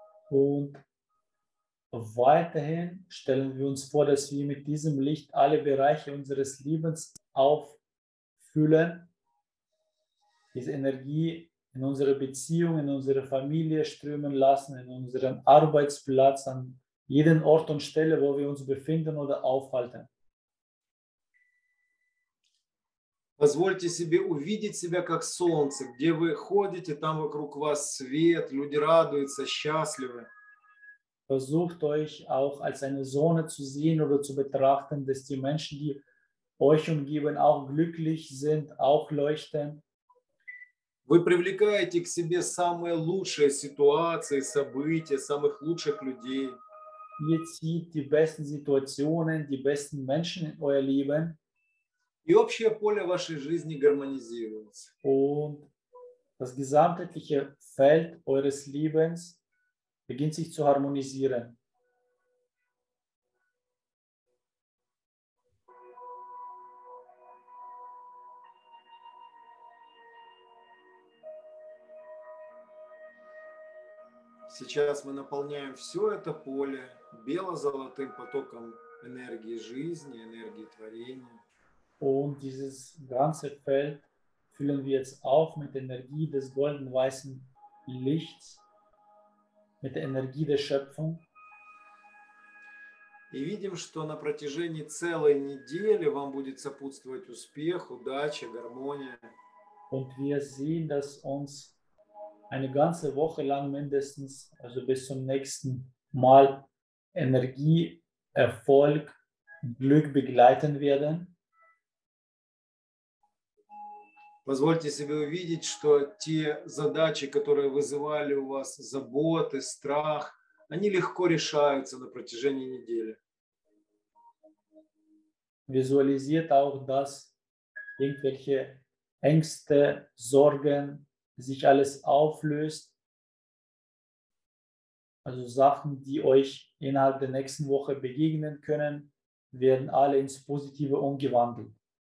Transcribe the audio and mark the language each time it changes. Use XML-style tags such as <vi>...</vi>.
<de>Und weiterhin stellen wir uns vor, dass wir mit diesem Licht alle Bereiche unseres Lebens auffüllen, diese Energie in unsere Beziehung, in unsere Familie strömen lassen, in unseren Arbeitsplatz, an jeden Ort und Stelle, wo wir uns befinden oder aufhalten.</de> <ru>Позвольте себе увидеть себя как солнце, где вы ходите, там вокруг вас свет, люди радуются, счастливы.</ru> <de>Versucht euch auch als eine Sonne zu sehen oder zu betrachten, dass die Menschen, die euch umgeben, auch glücklich sind, auch leuchten.</de> <ru>Вы привлекаете к себе самые лучшие ситуации, события, самых лучших людей.</ru> <de>ihr zieht die besten Situationen, die besten Menschen in euer Leben.</de> <ru>И общее поле вашей жизни гармонизируется.</ru> <de>Und das gesamtheitliche Feld eures Lebens beginnt sich zu harmonisieren.</de> <ru>Сейчас мы наполняем все это поле бело-золотым потоком энергии жизни, энергии творения.</ru> <de>Und dieses ganze Feld füllen wir jetzt auf mit Energie des golden-weißen Lichts, mit der Energie der Schöpfung.</de> <ru>И видим, что на протяжении целой недели вам будет сопутствовать успех, удача, гармония.</ru> <de>Und wir sehen, dass uns eine ganze Woche lang mindestens, also bis zum nächsten Mal, Energie, Erfolg, Glück begleiten werden.</de> <ru>Позвольте себе увидеть, что те задачи, которые вызывали у вас заботы, страх, они легко решаются на протяжении недели. Визуализирует</ru> <de>auch, dass irgendwelche Ängste, Sorgen sich alles auflöst. Also Sachen, die euch innerhalb der nächsten Woche begegnen können, werden alle ins Positive umgewandelt.</de>